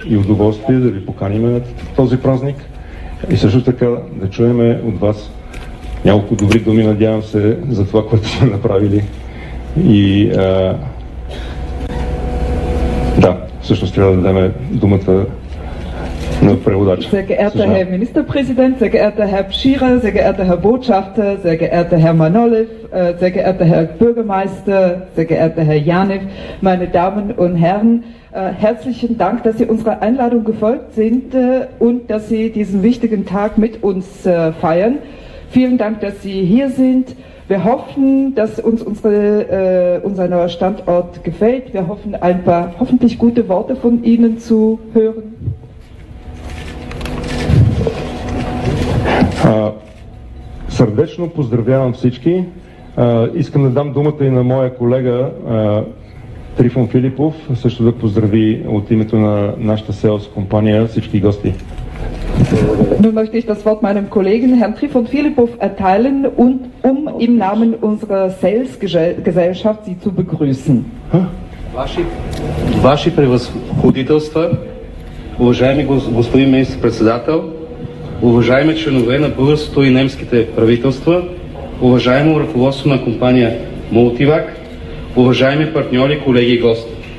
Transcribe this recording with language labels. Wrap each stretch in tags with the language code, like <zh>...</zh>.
<bg>и удоволствие да ви поканим на този празник и също така да чуем от вас няколко добри думи, надявам се, за това, което сме направили. И да, всъщност трябва да дадем думата на преводача.</bg> <de>Sehr geehrter Herr Ministerpräsident, sehr geehrter Herr Pschirer, sehr geehrter Herr Botschafter, sehr geehrter Herr Manolev, sehr geehrter Herr Bürgermeister, sehr geehrter Herr Janev, meine Damen und Herren, herzlichen Dank, dass Sie unserer Einladung gefolgt sind und dass Sie diesen wichtigen Tag mit uns feiern. Vielen Dank, dass Sie hier sind. Wir hoffen, dass uns unser neuer Standort gefällt. Wir hoffen, ein paar hoffentlich gute Worte von Ihnen zu hören.</de> <bg>Сърдечно поздравявам всички. Искам да дам думата и на моя колега Трифон Филипов, също да поздрави от името на нашата селс компания всички гости.</bg> <de>Nun möchte ich das Wort meinem Kollegen Herrn Trifon Filipov erteilen und um im Namen unserer Sales Gesellschaft Sie zu begrüßen.</de> <bg>Ваше превъзходителство, уважаеми господин министър-председател, уважаеми членове на българското и немските правителства, уважаемо ръководство на компания Multivac, уважаеми партньори, колеги и гости.</bg>